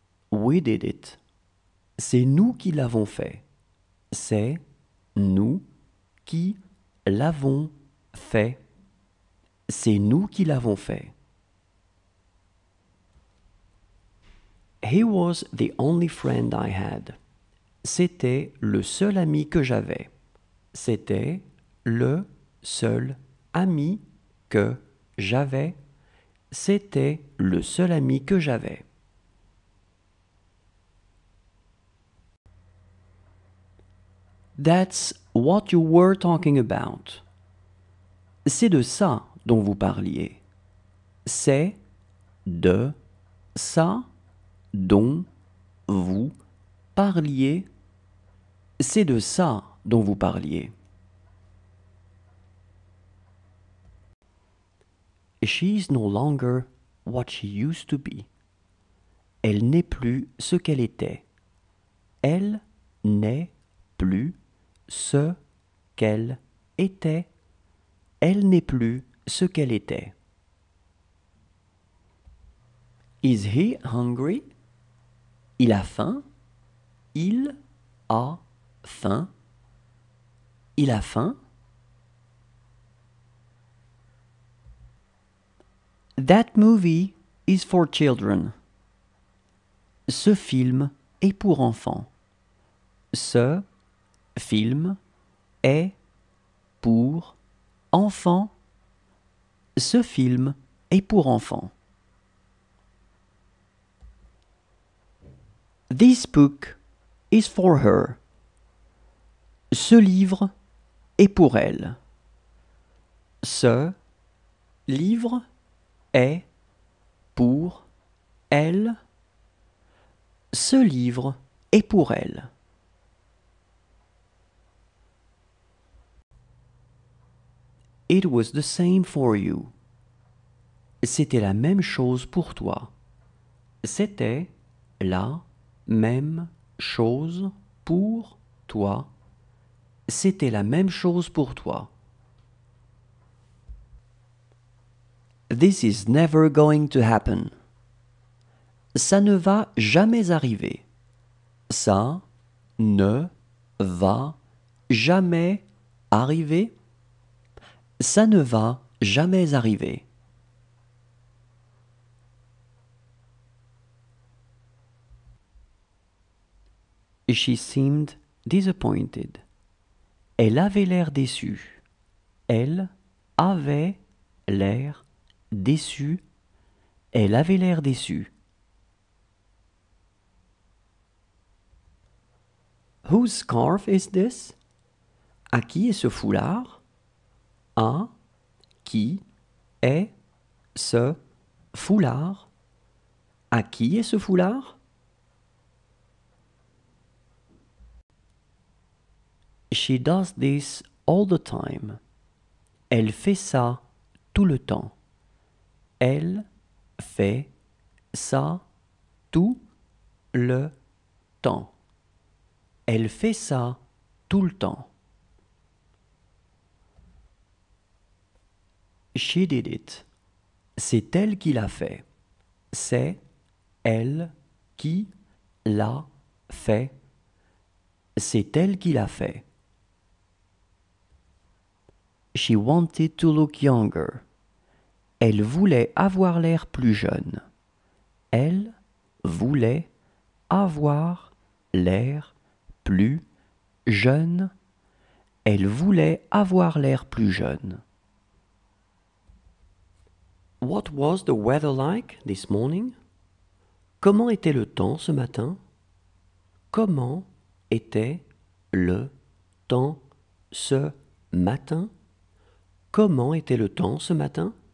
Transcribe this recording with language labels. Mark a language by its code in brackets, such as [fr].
[en] We did it. [fr] C'est nous qui l'avons fait. C'est nous qui l'avons fait. C'est nous qui l'avons fait. [en] He was the only friend I had. [fr] C'était le seul ami que j'avais. C'était le seul ami que j'avais. C'était le seul ami que j'avais. [en] That's what you were talking about. [fr] C'est de ça dont vous parliez. C'est de ça dont vous parliez. C'est de ça dont vous parliez. [en] She is no longer what she used to be. [fr] Elle n'est plus ce qu'elle était. Elle n'est plus ce qu'elle était. Elle n'est plus ce qu'elle était. [en] Is he hungry? [fr] Il a faim. Il a faim. Il a faim. [en] That movie is for children. [fr] Ce film est pour enfants. Ce film est pour enfants. Ce film est pour enfants. [en] This book is for her. [fr] Ce livre est pour elle. Ce livre est pour elle. Ce livre est pour elle. [en] It was the same for you. [fr] C'était la même chose pour toi. C'était la même chose pour toi. C'était la même chose pour toi. [en] This is never going to happen. [fr] Ça ne va jamais arriver. Ça ne va jamais arriver. Ça ne va jamais arriver. [en] She seemed disappointed. [fr] Elle avait l'air déçue. Elle avait l'air déçue. Elle avait l'air déçue. [en] Whose scarf is this? [fr] À qui est ce foulard? À qui est ce foulard? À qui est ce foulard? [en] She does this all the time. [fr] Elle fait ça tout le temps. Elle fait ça tout le temps. Elle fait ça tout le temps. [en] She did it. [fr] C'est elle qui l'a fait. C'est elle qui l'a fait. C'est elle qui l'a fait. [en] She wanted to look younger. [fr] Elle voulait avoir l'air plus jeune. Elle voulait avoir l'air plus jeune. Elle voulait avoir l'air plus jeune. [en] What was the weather like this morning? [fr] Comment était le temps ce matin? Comment était le temps ce matin? Comment était le temps ce matin?